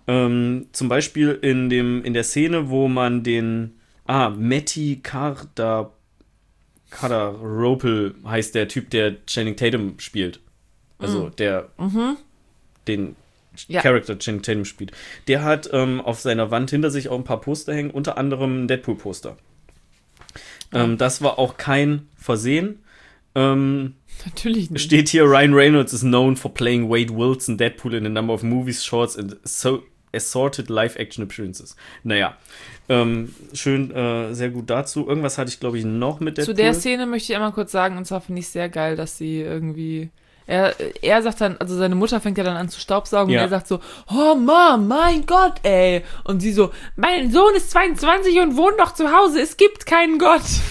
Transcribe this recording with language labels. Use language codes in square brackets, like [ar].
[de] Zum Beispiel in der Szene, wo man den, Matty Cardaropel heißt der Typ, der Channing Tatum spielt. Also der, den Charakter Channing Tatum spielt. Der hat auf seiner Wand hinter sich auch ein paar Poster hängen, unter anderem ein Deadpool-Poster. Das war auch kein Versehen. Natürlich nicht. Steht hier, [en] Ryan Reynolds is known for playing Wade Wilson Deadpool in a number of movies, shorts and assorted live-action appearances. [de] Naja, schön, sehr gut dazu. Irgendwas hatte ich, glaube ich, noch mit Deadpool. Zu der Szene möchte ich einmal kurz sagen, und zwar finde ich sehr geil, dass sie irgendwie... Er sagt dann, also seine Mutter fängt ja dann an zu staubsaugen und er sagt so, oh Mom, mein Gott, ey. Und sie so, mein Sohn ist 22 und wohnt noch zu Hause, es gibt keinen Gott.